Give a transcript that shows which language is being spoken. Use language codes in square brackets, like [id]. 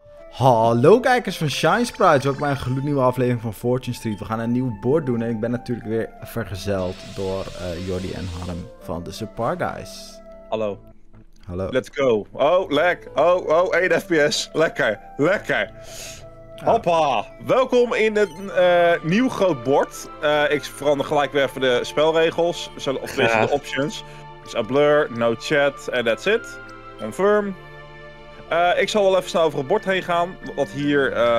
[nl] Hallo kijkers van Shinesprites, welkom bij een gloednieuwe aflevering van Fortune Street. We gaan een nieuw board doen en ik ben natuurlijk weer vergezeld door Jordi en Harm van de Support Guys. Hallo. Hallo. [en] Let's go. [nl] Oh, lek. Oh, 1 FPS. Lekker. Ja. Hoppa. Welkom in het nieuw groot board. Ik verander gelijk weer even de spelregels. Of de options. [en] Dus a blur, no chat, and that's it. Confirm. [nl] Ik zal wel even snel over het bord heen gaan, wat hier...